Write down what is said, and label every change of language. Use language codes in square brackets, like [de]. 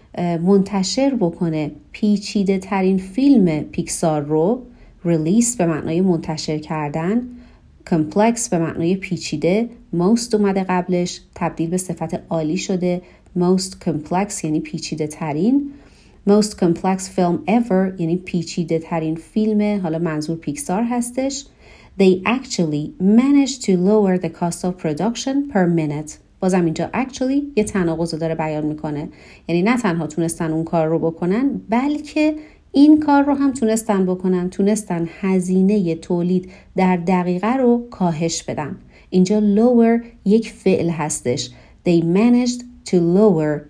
[fa] منتشر بکنه پیچیده ترین فیلم پیکسار رو، ریلیس به معنای منتشر کردن، کمپلکس به معنای پیچیده، موست اومده قبلش، تبدیل به صفت عالی شده، موست کمپلکس یعنی پیچیده ترین، موست کمپلکس فیلم ایور یعنی پیچیده ترین فیلم، حالا منظور پیکسار هستش. [en] They actually managed to lower the cost of production per minute. [fa] بازم اینجا actually یه تناقض داره بیان میکنه. یعنی نه تنها تونستن اون کار رو بکنن، بلکه این کار رو هم تونستن بکنن. تونستن هزینه تولید در دقیقه رو کاهش بدن. اینجا lower یک فعل هستش. [en] They managed to lower.